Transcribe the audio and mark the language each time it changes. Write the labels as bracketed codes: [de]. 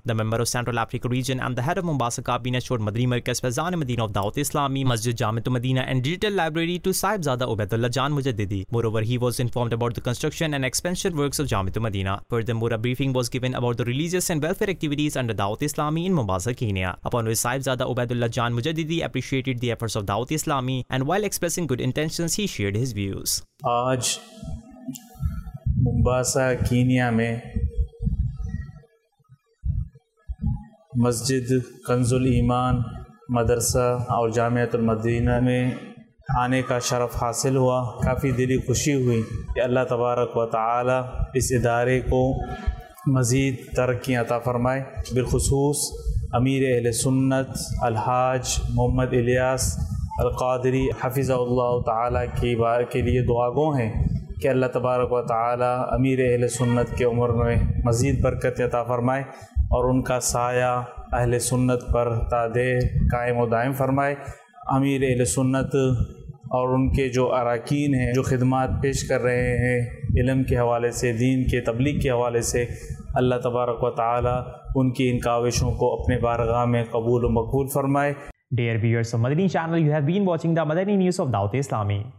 [en] The member of Central Africa region and the head of Mombasa cabinet showed Madani Merkez Fazan Madina of Dawat Islami, Masjid Jamitu Madina and Digital Library to Sahibzada Ubaidullah John Mujaddidi. Moreover, he was informed about the construction and expansion works of Jamitu Madina. Furthermore, a briefing was given about the religious and welfare activities under Dawat Islami in Mombasa, Kenya. Upon which Sahibzada Ubaidullah John Mujaddidi appreciated the efforts of Dawat Islami and while expressing good intentions he shared his views. [ur] آج Mombasa Kenya میں مسجد کنز الایمان مدرسہ اور جامعۃ المدینہ میں آنے کا شرف حاصل ہوا. کافی دلی خوشی ہوئی کہ اللہ تبارک و تعالی اس ادارے کو مزید ترقی عطا فرمائے, بالخصوص امیر اہل سنت الحاج محمد الیاس القادری حفظ اللہ تعالیٰ کی بار کے لیے دعا گو ہیں کہ اللہ تبارک و تعالیٰ امیر اہل سنت کے عمر میں مزید برکت عطا فرمائے اور ان کا سایہ اہل سنت پر تادے قائم و دائم فرمائے. امیر اہل سنت اور ان کے جو اراکین ہیں جو خدمات پیش کر رہے ہیں علم کے حوالے سے, دین کے تبلیغ کے حوالے سے, اللہ تبارک و تعالیٰ ان کی ان کاوشوں کو اپنے بارگاہ میں قبول و مقبول فرمائے. [en] Dear viewers of Madani channel, you have been watching the Madani News of Dawat Islami.